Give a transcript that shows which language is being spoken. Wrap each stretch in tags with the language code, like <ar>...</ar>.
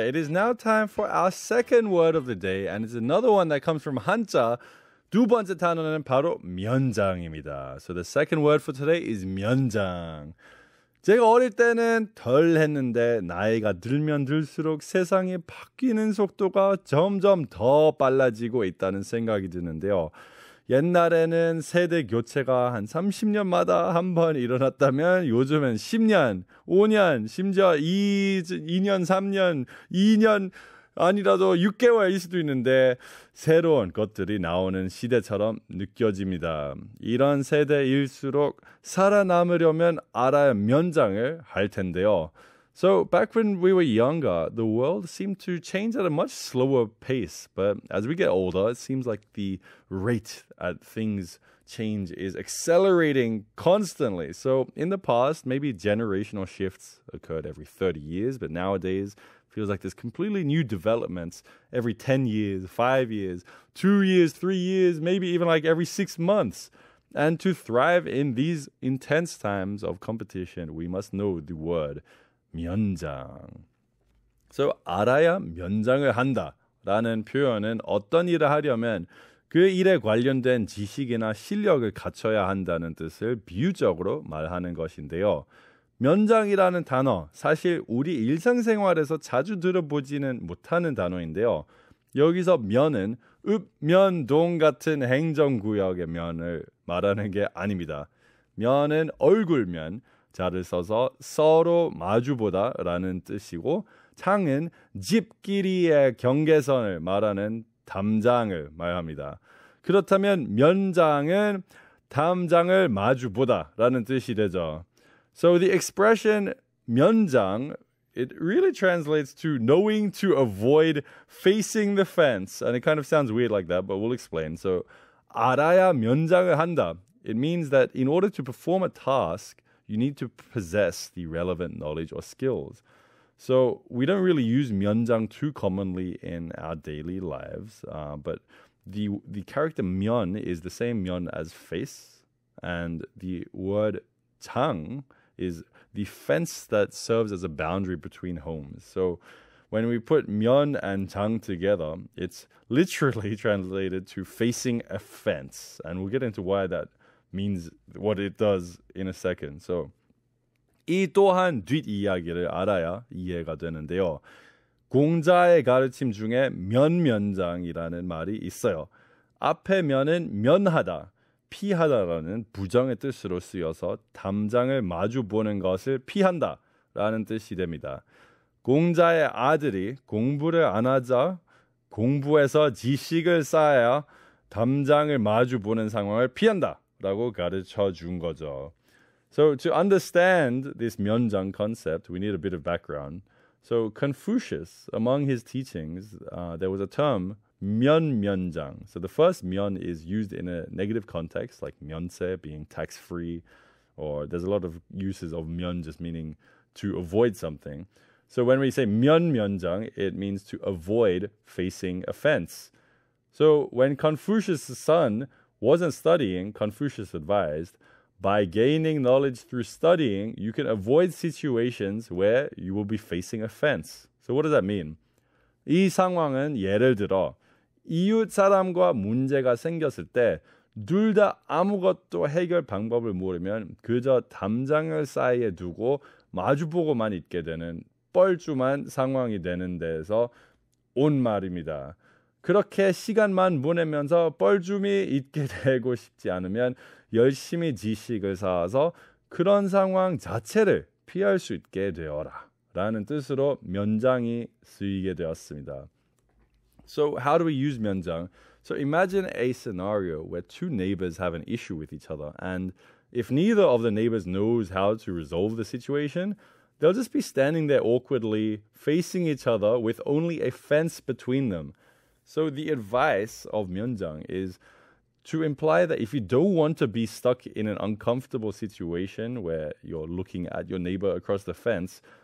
<en>It is now time for our second word of the day, and it's another one that comes from 한자.</en> <ko>두 번째 단어는 바로 면장입니다.</ko> <en>So the second word for today is 면장.</en> <ko>제가 어릴 때는 덜 했는데 나이가 들면 들수록 세상이 바뀌는 속도가 점점 더 빨라지고 있다는 생각이 드는데요. 옛날에는 세대 교체가 한 30년마다 한 번 일어났다면 요즘엔 10년, 5년, 심지어 2년, 3년, 2년 아니라도 6개월일 수도 있는데 새로운 것들이 나오는 시대처럼 느껴집니다. 이런 세대일수록 살아남으려면 알아야 면장을 할 텐데요.</ko> <en>So back when we were younger, the world seemed to change at a much slower pace. But as we get older, it seems like the rate at things change is accelerating constantly. So in the past, maybe generational shifts occurred every 30 years. But nowadays, it feels like there's completely new developments every 10 years, 5 years, 2 years, 3 years, maybe even like every 6 months. And to thrive in these intense times of competition, we must know the word 면장.</en> <ko>So 알아야 면장을 한다라는 표현은 어떤 일을 하려면 그 일에 관련된 지식이나 실력을 갖춰야 한다는 뜻을 비유적으로 말하는 것인데요. 면장이라는 단어, 사실 우리 일상생활에서 자주 들어보지는 못하는 단어인데요. 여기서 면은 읍면동 같은 행정구역의 면을 말하는 게 아닙니다. 면은 얼굴면, 자를 써서 서로 마주보다 라는 뜻이고, 장은 집끼리의 경계선을 말하는 담장을 말합니다. 그렇다면 면장은 담장을 마주보다 라는 뜻이 되죠.</ko> <en>So the expression 면장, it really translates to knowing to avoid facing the fence. And it kind of sounds weird like that, but we'll explain.</en> <ko>So 알아야 면장을 한다.</ko> <en>It means that in order to perform a task, you need to possess the relevant knowledge or skills. So we don't really use 면장 too commonly in our daily lives, but the character 면 is the same 면 as face, and the word 장 is the fence that serves as a boundary between homes. So when we put 면 and 장 together, it's literally translated to facing a fence, and we'll get into why that means what it does in a second.</en> <ko>So, 이 또한 뒷이야기를 알아야 이해가 되는데요. 공자의 가르침 중에 면면장이라는 말이 있어요. 앞에 면은 면하다, 피하다라는 부정의 뜻으로 쓰여서 담장을 마주보는 것을 피한다라는 뜻이 됩니다. 공자의 아들이 공부를 안 하자 공부해서 지식을 쌓아야 담장을 마주보는 상황을 피한다 라고 가르쳐 준 거죠.</ko> <en>So to understand this 면장 concept, we need a bit of background. So Confucius, among his teachings, there was a term 면면장. So the first 면 is used in a negative context, like 면세 being tax-free, or there's a lot of uses of 면 just meaning to avoid something. So when we say 면면장, it means to avoid facing a fence. So when Confucius' son wasn't studying, Confucius advised, by gaining knowledge through studying, you can avoid situations where you will be facing a fence. So what does that mean?</en> <ko>이 상황은 예를 들어, 이웃 사람과 문제가 생겼을 때 둘 다 아무것도 해결 방법을 모르면 그저 담장을 사이에 두고 마주보고만 있게 되는 뻘쭘한 상황이 되는 데에서 온 말입니다. 그렇게 시간만 보내면서 뻘쭘히 있게 되고 싶지 않으면 열심히 지식을 쌓아서 그런 상황 자체를 피할 수 있게 되어라 라는 뜻으로 면장이 쓰이게 되었습니다.</ko> <en>So how do we use 면장? So imagine a scenario where two neighbors have an issue with each other, and if neither of the neighbors knows how to resolve the situation, they'll just be standing there awkwardly facing each other with only a fence between them. So the advice of 면장 is to imply that if you don't want to be stuck in an uncomfortable situation where you're looking at your neighbor across the fence,</en>